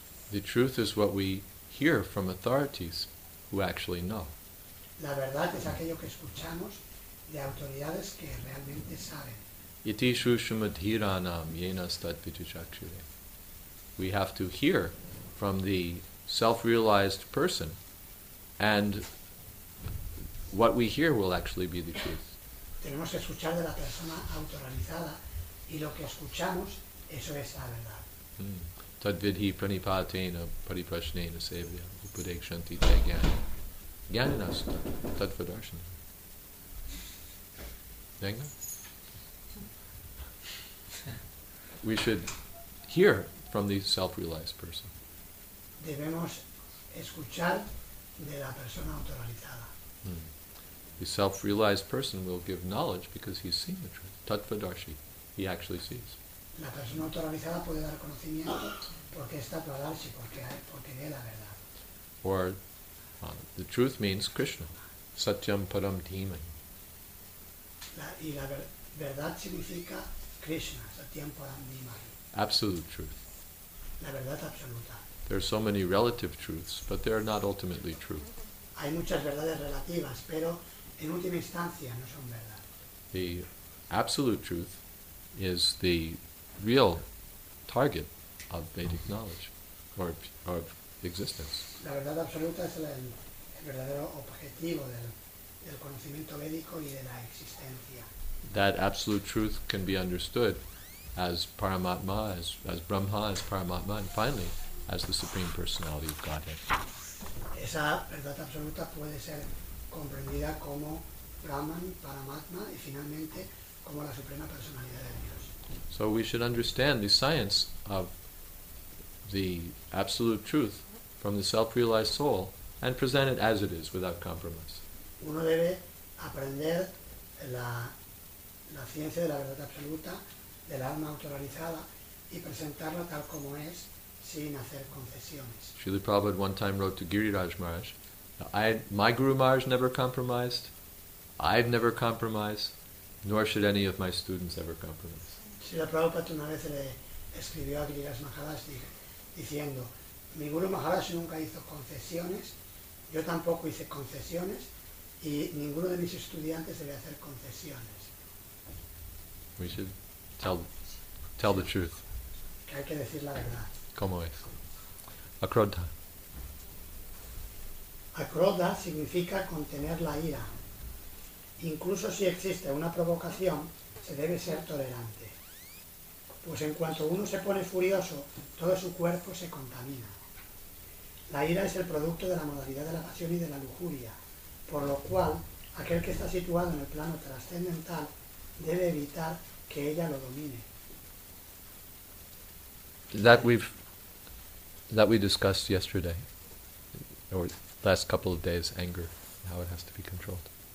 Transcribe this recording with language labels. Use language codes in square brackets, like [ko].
[en] The truth is what we hear from authorities who actually know. [es] La verdad es aquello que escuchamos de autoridades que realmente saben. [sa] Iti shushumadhiranam yena stadvitichakshire. [en] We have to hear from the self-realized person and what we hear will actually be the truth. [es] Tenemos que escuchar de la persona autorrealizada y lo que escuchamos eso es la verdad. [sa] Tadvidhi pranipatena pariprashnena sevya upadekshanti te jnana jnananasta tadvadarshana. [es] Venga. [en] we should hear from the self-realized person. [es] Debemos escuchar de la persona autorrealizada. [en] The self-realized person will give knowledge because he's seen the truth. Tattvadarshi, he actually sees. [es] La persona autorrealizada puede dar conocimiento porque es tattvadarshi, porque ve la verdad. [en] Or the truth means Krishna. [sa] Satyam param dhimahi. [es] La verdad significa Krishna. [sa] Satyam param dhimahi. [en] Absolute truth. [es] La verdad absoluta. [en] There are so many relative truths, but they are not ultimately true. [es] Hay muchas verdades relativas, pero en última instancia no son verdad. [en] The absolute truth is the real target of Vedic knowledge or of existence. [es] La verdad absoluta es el verdadero objetivo del conocimiento védico y de la existencia. [en] That absolute truth can be understood as Paramatma, as Brahma, as Paramatma, and finally as the Supreme Personality of Godhead. [es] Esa verdad absoluta puede ser comprendida como Brahman, Paramatma, y finalmente como la Suprema Personalidad de Dios. [en] So we should understand the science of the absolute truth from the self-realized soul and present it as it is, without compromise. [es] Uno debe aprender la ciencia de la verdad absoluta del alma autorrealizada y presentarla tal como es, sin hacer concesiones. [en] Srila Prabhupada one time wrote to Giriraj Maharaj, my Guru Maharaj never compromised, I've never compromised, nor should any of my students ever compromise. [es] Srila Prabhupada una vez le escribió a Giriraj Maharaj diciendo, mi Guru Maharaj nunca hizo concesiones, yo tampoco hice concesiones, y ninguno de mis estudiantes debe hacer concesiones. [en] We should tell the truth. [es] Que hay que decir la verdad. ¿Cómo es? Akrodha. Akrodha significa contener la ira. Incluso si existe una provocación, se debe ser tolerante. Pues en cuanto uno se pone furioso, todo su cuerpo se contamina. La ira es el producto de la modalidad de la pasión y de la lujuria, por lo cual, aquel que está situado en el plano trascendental debe evitar que ella lo domine. [en] That we discussed yesterday, or last couple of days, anger, how it has to be controlled.